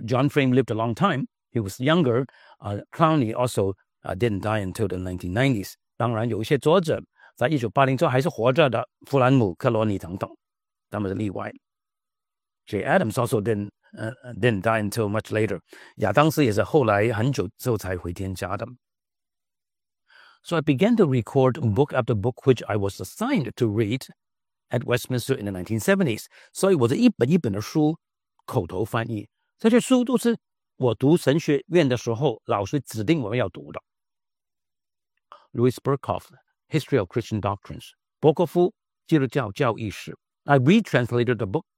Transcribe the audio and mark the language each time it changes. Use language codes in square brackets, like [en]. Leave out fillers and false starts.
[en] John Frame lived a long time. He was younger. Clowney also didn't die until the 1990s. [zh] 当然有一些作者在1980之后还是活着的, 弗兰姆·克罗尼等等, 他们是例外。 [en] Jay Adams also didn't die until much later. [zh] 亚当斯也是后来很久之后才回天家的。 [en] So I began to record book after book which I was assigned to read at Westminster in the 1970s. [zh] 所以我这一本一本的书口头翻译, 这些书都是我读神学院的时候老师指定我们要读的。 [en] Louis Berkhof, History of Christian Doctrines. [zh] 伯克夫, 基督教教义史. [en] I retranslated the book.